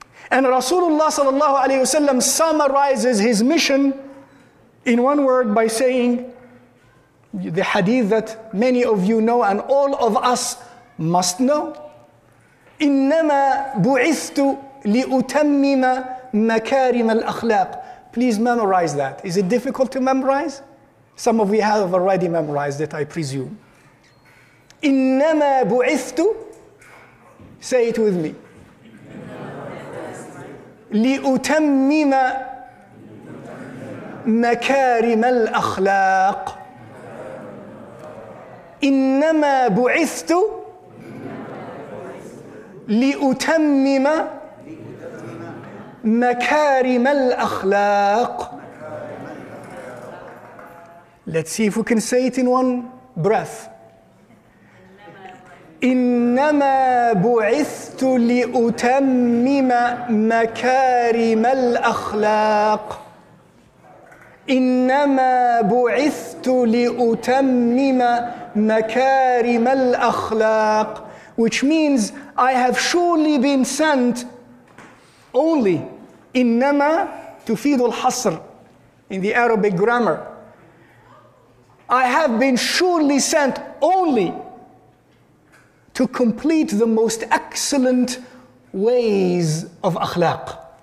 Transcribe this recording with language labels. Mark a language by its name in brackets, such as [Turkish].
[English] And Rasulullah sallallahu alayhi wa sallam summarizes his mission in one word by saying the hadith that many of you know and all of us must know, [Arabic] innama bu'ithtu لِأُتَمِّمَ مَكَارِمَ الْأَخْلَاقِ. [English] Please memorize that. Is it difficult to memorize? Some of you have already memorized it, I presume. [Arabic] إِنَّمَا بُعِثْتُ, [English] say it with me, [Arabic] لِأُتَمِّمَ مَكَارِمَ الْأَخْلَاقِ. إِنَّمَا بُعِثْتُ لِأُتَمِّمَ مكارم الأخلاق. [English] Let's see if we can say it in one breath. [Arabic] إنما بعثت لأتمم مكارم الأخلاق. إنما بعثت لأتمم مكارم الأخلاق. [English] Which means I have surely been sent only. [Arabic] Innama, tufidul hasr, [English] in the Arabic grammar. I have been surely sent only to complete the most excellent ways of akhlaq.